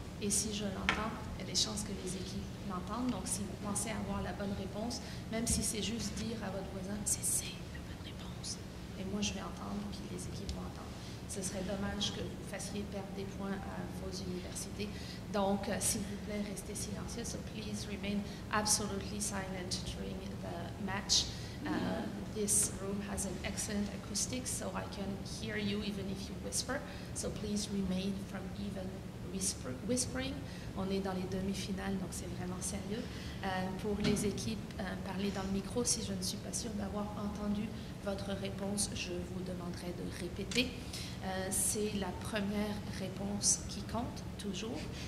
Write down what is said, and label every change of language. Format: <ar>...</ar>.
<fr>Et si je l'entends, il y a des chances que les équipes l'entendent. Donc si vous pensez avoir la bonne réponse, même si c'est juste dire à votre voisin, c'est la bonne réponse. Et moi, je vais entendre, puis les équipes vont entendre. Ce serait dommage que vous fassiez perdre des points à vos universités. Donc, s'il vous plaît, restez silencieux.</fr> <en>So please remain absolutely silent during the match. This room has an excellent acoustics, so I can hear you even if you whisper. So please remain from even whispering.</en> <fr>On est dans les demi-finales, donc c'est vraiment sérieux. Pour les équipes, parlez dans le micro. Si je ne suis pas sûre d'avoir entendu votre réponse, je vous demanderai de répéter. C'est la première réponse qui compte, toujours.</fr>